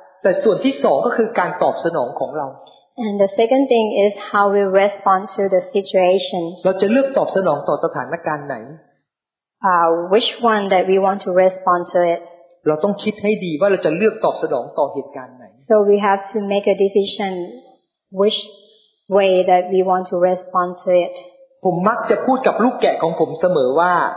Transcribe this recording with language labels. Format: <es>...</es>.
<th>แต่ส่วนที่สองก็คือการตอบสนองของเรา</th> <en>And the second thing is how we respond to the situation.</en> <th>เราจะเลือกตอบสนองต่อสถานการณ์ไหน</th> <en>Which one that we want to respond to it?</en> <th>เราต้องคิดให้ดีว่าเราจะเลือกตอบสนองต่อเหตุการณ์ไหน</th> <en>So we have to make a decision which way that we want to respond to it.</en> <th>ผมมักจะพูดกับลูกแกะของผมเสมอว่า</th>